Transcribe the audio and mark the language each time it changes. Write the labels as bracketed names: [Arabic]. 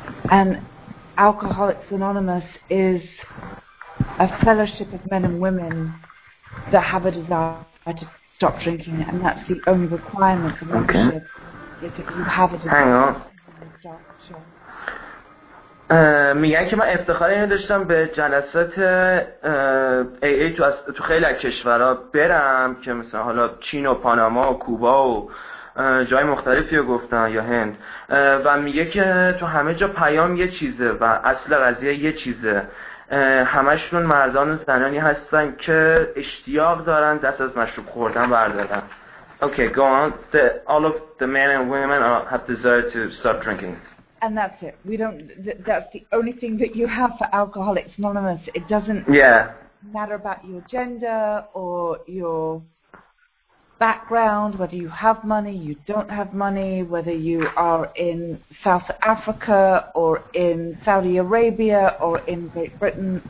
[English] And Alcoholics Anonymous is a fellowship of men and women that have a desire to stop drinking, and that's the only requirement for membership okay. is that you have a desire to stop drinking. [Persian] میگن که من افتخار اینو داشتم به جلسات AA تو خیلی از کشورها برم که مثلا حالا چین و پاناما و کوبا و جای مختلفی رو گفتن یا هند و میگه که تو همه جا پیام یه چیزه و اصل قضیه یه چیزه همشون مردان و زنانی هستن که اشتیاق دارن دست از مشروب خوردن بردارن [English] Okay, go on. All of the men and women have desire to stop drinking. And that's it. We don't. That's the only thing that you have for Alcoholics Anonymous. It doesn't yeah. matter about your gender or your background, whether you have money, you don't have money, whether you are in South Africa or in Saudi Arabia or in Great Britain.